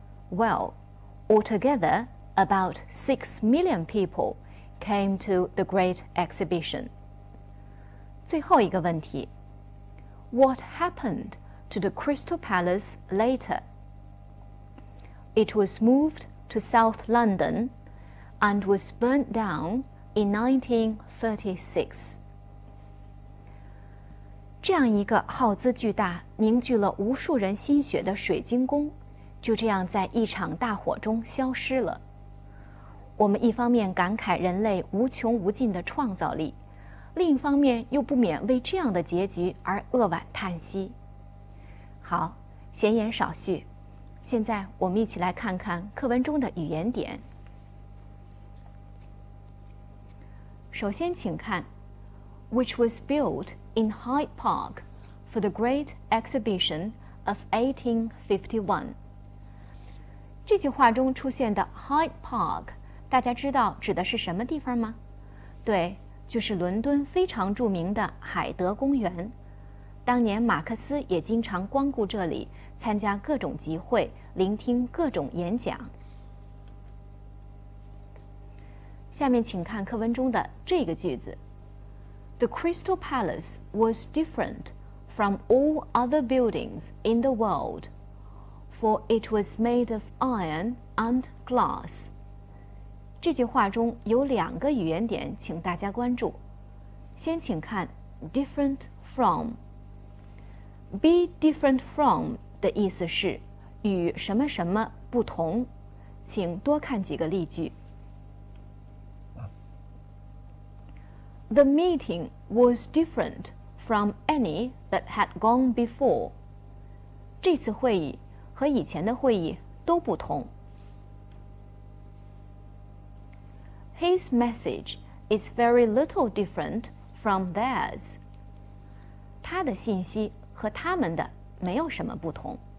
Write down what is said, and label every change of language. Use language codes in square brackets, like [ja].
[en] Well, altogether, about 6 million people came to the Great Exhibition. [zh] 最后一个问题 [en] What happened to the Crystal Palace later? It was moved to South London,And was burnt down in 1936. [zh] 这样一个耗资巨大、凝聚了无数人心血的水晶宫，就这样在一场大火中消失了。我们一方面感慨人类无穷无尽的创造力，另一方面又不免为这样的结局而扼腕叹息。好，闲言少叙，现在我们一起来看看课文中的语言点。首先请看 [en] Which was built in Hyde Park for the Great Exhibition of 1851. [zh] 这句话中出现的 Hyde Park, 大家知道指的是什么地方吗？对，就是伦敦非常著名的海德公园。当年马克思也经常光顾这里，参加各种集会，聆听各种演讲。下面请看课文中的这个句子。 [en] The Crystal Palace was different from all other buildings in the world, for it was made of iron and glass. [zh] 这句话中有两个语言点，请大家关注。先请看 different from。Be different from 的意思是与什么什么不同，请多看几个例句。 [en] The meeting was different from any that had gone before. [zh] 这次会议和以前的会议都不同。 [en] His message is very little different from theirs. [zh] 他的信息和他们的没有什么不同。